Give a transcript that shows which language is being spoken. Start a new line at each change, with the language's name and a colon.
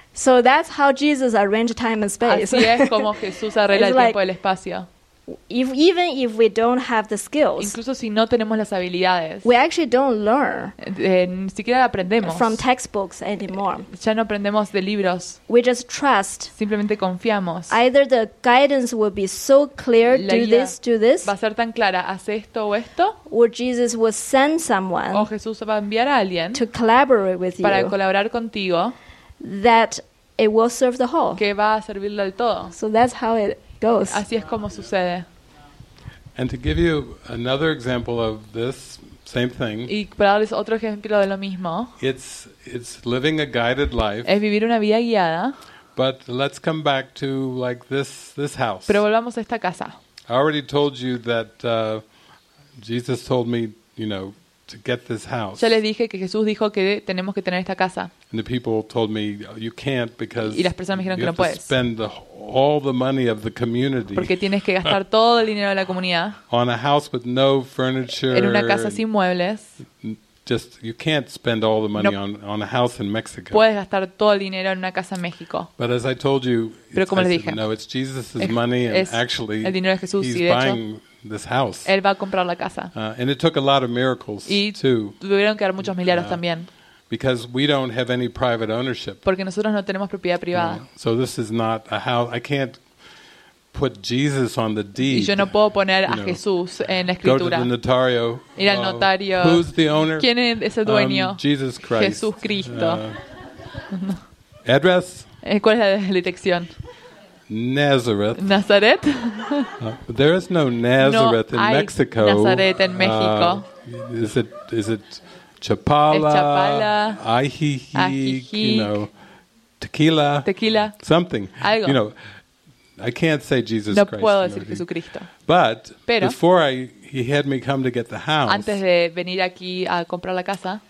English: So that's how Jesus arranged time and space.
Spanish: Así es como Jesús arregla el tiempo y el espacio.
English: Even if we don't have the skills,
Spanish: incluso si no tenemos las habilidades,
English: we actually don't learn.
Spanish: Ni siquiera aprendemos.
English: From textbooks anymore.
Spanish: Ya no aprendemos de libros.
English: We just trust.
Spanish: Simplemente confiamos.
English: Either the guidance will be so clear, do this.
Spanish: Va a ser tan clara, haz esto o esto.
English: Or Jesus will send someone.
Spanish: O Jesús va a enviar a alguien.
English: To collaborate with you.
Spanish: Para colaborar contigo.
English: That it will serve the whole.
Spanish: Que va a servirle al todo.
English: So that's how it goes.
Spanish: Así es como sucede.
English: And to give you another example of this same thing.
Spanish: Y para darles otro ejemplo de lo mismo.
English: It's living a guided life.
Spanish: Es vivir una vida guiada.
English: But let's come back to like this house.
Spanish: Pero volvamos a esta casa.
English: I already told you that Jesus told me, you know, to get this house.
Spanish: Ya les dije que Jesús dijo que tenemos que tener esta casa.
English: And the people told me you can't because
Spanish: y las personas me dijeron que no puedes.
English: Spend all the money of the community.
Spanish: Porque tienes que gastar todo el dinero de la comunidad.
English: On a house with no furniture.
Spanish: En una casa sin muebles.
English: Just you can't spend all the money on a house in Mexico.
Spanish: Puedes gastar todo el dinero en una casa en México.
English: But as I told you,
Spanish: pero como les dije,
English: no, it's Jesus' money and actually
Spanish: el dinero de Jesús,
English: he's
Spanish: y de
English: buying
Spanish: hecho,
English: this house.
Spanish: Él va a comprar la casa.
English: And it took a lot of miracles
Spanish: y
English: too.
Spanish: Tuvieron que dar muchos milagros también.
English: Because we don't have any private ownership.
Spanish: Porque nosotros no tenemos propiedad privada.
English: So this is not a house. I can't put Jesus on the deed.
Spanish: Y yo no puedo poner a Jesús en la escritura.
English: Go to the notario.
Spanish: Ir al notario.
English: Who's the owner?
Spanish: ¿Quién es ese dueño?
English: Jesus Christ.
Spanish: Jesús Cristo.
English: Address.
Spanish: ¿Cuál es la dirección?
English: Nazareth.
Spanish: Nazaret.
English: There is no Nazareth
Spanish: no
English: in Mexico.
Spanish: Nazaret en México.
English: Is it Chapala?
Spanish: Ajijic.
English: You know, tequila.
Spanish: Tequila.
English: Something.
Spanish: Algo.
English: You know, I can't say Jesus
Spanish: no
English: Christ.
Spanish: No puedo
English: you
Spanish: decir Jesucristo.
English: But
Spanish: pero,
English: before he had me come to get the house.
Spanish: Antes de venir aquí a comprar la casa.